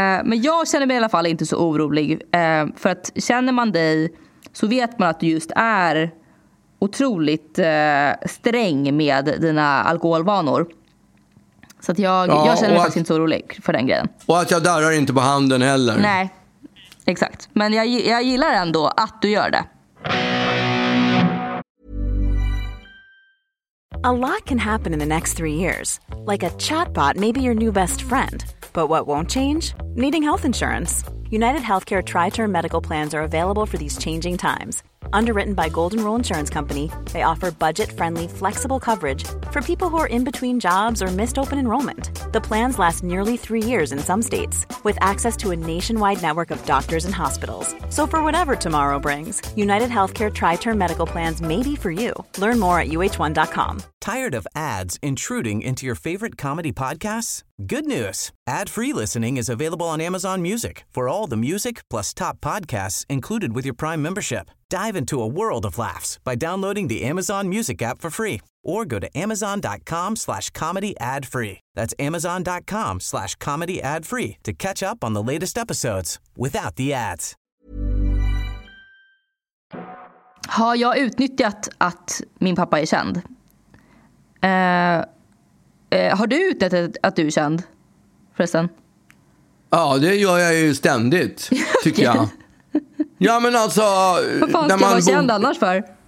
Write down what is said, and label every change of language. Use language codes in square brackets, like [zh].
[sv] Men jag känner mig i alla fall inte så orolig. För att känner man dig så vet man att du just är otroligt sträng med dina alkoholvanor. Så att jag känner mig faktiskt inte så orolig för den grejen. Och att jag darrar inte på handen heller. Nej, Exakt. Men jag gillar ändå att du gör det. [en] A lot can happen in the next 3 years. Like a chatbot maybe your new best friend. But what won't change? Needing health insurance. United Healthcare Tri-Term Medical Plans are available for these changing times. Underwritten by Golden Rule Insurance Company, they offer budget-friendly, flexible coverage for people who are in between jobs or missed open enrollment. The plans last nearly 3 years in some states, with access to a nationwide network of doctors and hospitals. So for whatever tomorrow brings, United Healthcare Tri-Term Medical Plans may be for you. Learn more at uh1.com. Tired of ads intruding into your favorite comedy podcasts? Good news! Ad-free listening is available on Amazon Music for all the music plus top podcasts included with your Prime membership. Dive into a world of laughs by downloading the Amazon Music app for free or go to amazon.com/comedyadfree. That's amazon.com/comedyadfree to catch up on the latest episodes without the ads. [sv] Har jag utnyttjat att min pappa är känd? Har du utnyttjat att du är känd? Förresten. Ja, det gör jag ju ständigt, tycker jag. Ja, men alltså... Vad fan ska man vara känd annars för?